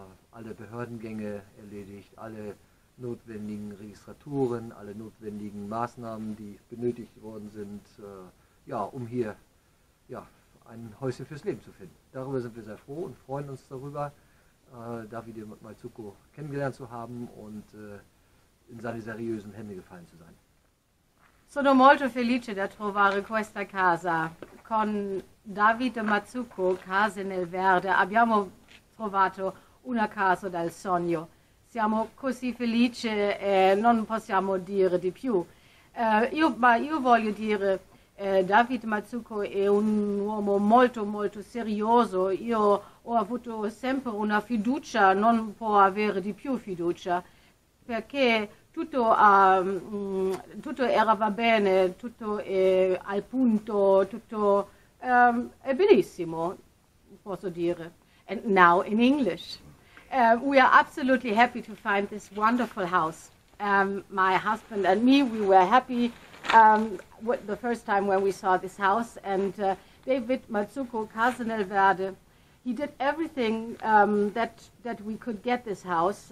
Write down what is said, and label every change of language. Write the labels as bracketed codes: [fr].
[de] Alle Behördengänge erledigt, alle notwendigen Registraturen, alle notwendigen Maßnahmen, die benötigt worden sind, um hier ein Häuschen fürs Leben zu finden. Darüber sind wir sehr froh und freuen uns darüber, Davide Mazzucco kennengelernt zu haben und in seine seriösen Hände gefallen zu sein. [it] Sono molto felice da trovare questa casa con Davide Mazzucco, Casa nel Verde. Abbiamo trovato una casa dal sogno. Siamo così felici e non possiamo dire di più. Io voglio dire, Davide Mazzucco è un uomo molto, molto serioso. Io ho avuto sempre una fiducia, non può avere di più fiducia, perché tutto era va bene, tutto è al punto, tutto è benissimo, posso dire. [en] And now in English. We are absolutely happy to find this wonderful house. My husband and me, we were happy the first time when we saw this house. And David Mazzucco, Casa nel Verde, he did everything that we could get this house.